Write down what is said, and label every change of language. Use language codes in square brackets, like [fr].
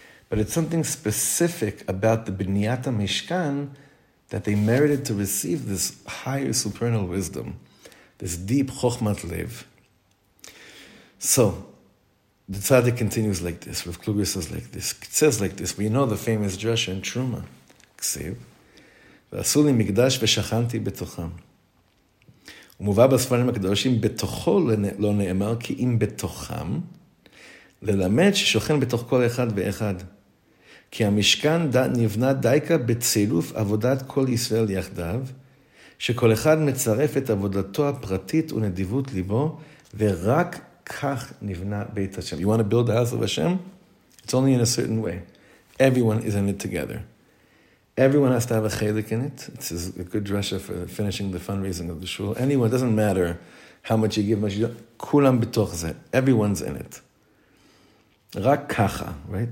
[en] But it's something specific about the Bniyat HaMishkan that they merited to receive this higher supernal wisdom, this deep chokhmat lev. So, the tzaddik continues like this. Rav Kluger says like this. It says like this. We know the famous drasha in Truma. Ksev. [he] ועשו לי מקדש ושכנתי בתוכם. ומובא בספרים הקדושים, בתוכו לא נאמר, כי אם בתוכם, ללמד ששוכן בתוך כל אחד ואחד. כי המשכן נבנה דייקה בצילוף עבודת כל ישראל יחדיו, שכל אחד מצרף את עבודתו הפרטית ונדיבות ליבו, ורק כך נבנה בית השם. [en] You want to build the house of Hashem? It's only in a certain way. Everyone is in it together. Everyone has to have a chelik in it. This is a good drasha for finishing the fundraising of the shul. Anyone, it doesn't matter how much you give, much you don't. [he] Kulam b'toch zeh. [en] Everyone's in it. [he] Rak kacha, [en] right?